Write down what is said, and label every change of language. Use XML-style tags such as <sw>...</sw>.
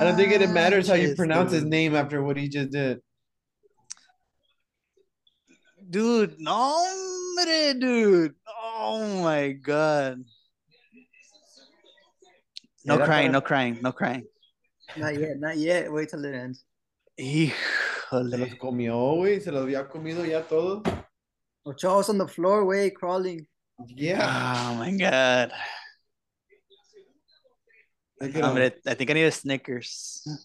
<en>I don't think it matters how you pronounce his name after what he just did. Dude, no, dude. Oh, my God. No crying, no crying, no crying. Not yet, not yet. Wait till it ends.</en> <es>Híjole. Se los comió, güey. Se los había comido ya todos.</es> <en>Ochoa's on the floor, way crawling. Yeah. Oh my god. I think I need a Snickers.</en>